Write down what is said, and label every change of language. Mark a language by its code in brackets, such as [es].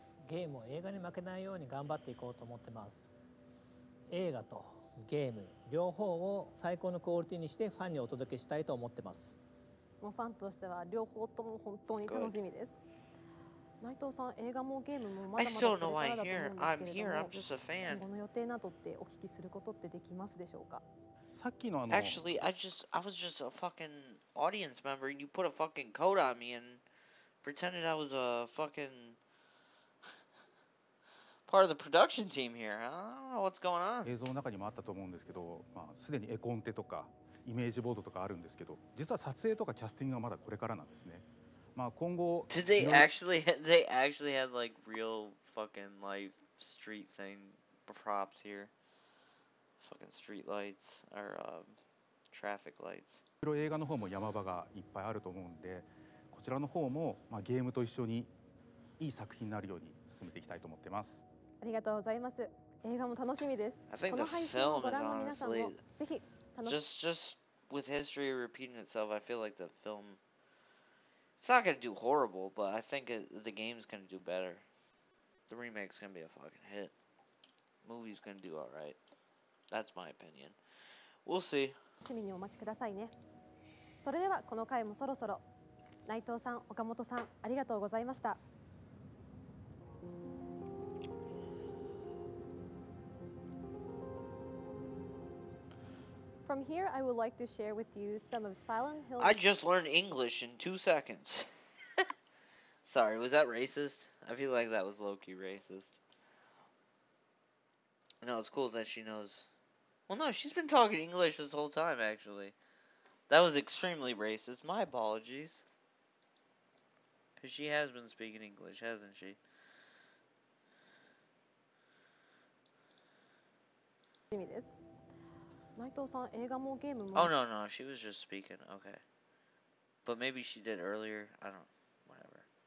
[ja] ゲームを映画に負けないように頑張っていこうと思ってます。映画とゲーム両方を最高のクオリティにしてファンにお届けしたいと思ってます。もうファンとしては両方とも本当に楽しみです。内藤さん、映画もゲームもまだまだこれからだと思うんですけれども、この予定などってお聞きすることってできますでしょうか? さっきのあの、 [en] Actually, I was just a fucking audience member and you put a fucking coat on me and pretended I was a fucking part of the production team here. I don't know what's going on. [ja] 映像の中にもあったと思うんですけど、まあ、すでに絵コンテとか、イメージボードとかあるんですけど、実は撮影とかキャスティングはまだこれからなんですね。まあ今後。 [en] Did they actually had like real fucking life street thing props here? Fucking street lights or traffic lights. [ja] 映画の方も山場がいっぱいあると思うんで、こちらの方もまあゲームと一緒にいい作品になるように進めていきたいと思ってます。ありがとうございます。映画も楽しみです。この配信をご覧の皆さんもぜひ楽しみ。 [en] Just with history repeating itself, I feel like the film it's not gonna do horrible, but I think the game's gonna do better. The remake's gonna be a fucking hit. Movie's gonna do alright. That's my opinion. We'll see. [ja] 楽しみにお待ちくださいね。それではこの回もそろそろ内藤さん、岡本さん、ありがとうございました。 [en] From here, I would like to share with you some of Silent Hill. I just learned English in 2 seconds. Sorry, was that racist? I feel like that was low-key racist. No, it's cool that she knows. Well, no, she's been talking English this whole time, actually. That was extremely racist. My apologies. Because she has been speaking English, hasn't she? [ja] 内藤さん、映画もゲームも。 [en] Oh, no, she was just speaking, okay. But maybe she did earlier, I don't know, whatever.